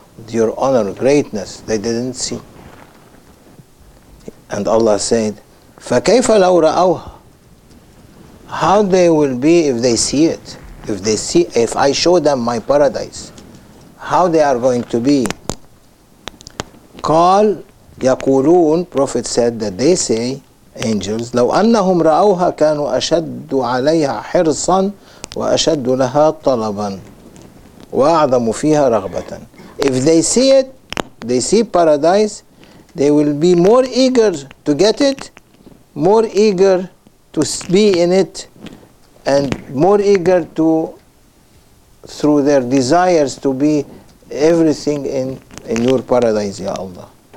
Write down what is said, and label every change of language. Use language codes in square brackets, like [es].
[en] your honor, greatness, they didn't see. And Allah said, [ar] فَكَيْفَ لَوْ رَأَوْهَا. [en] How they will be if they see it? If I show them my paradise, how they are going to be? [ar] قال يقولون, [en] Prophet said that they say, angels, [ar] لو أنهم رأوها كانوا أشد عليها حرصا وأشد لها طلبا وأعظم فيها رغبة. [en] If they see it, they see paradise, they will be more eager to get it, more eager to be in it, and more eager to, through their desires, to be everything in your paradise, Ya Allah.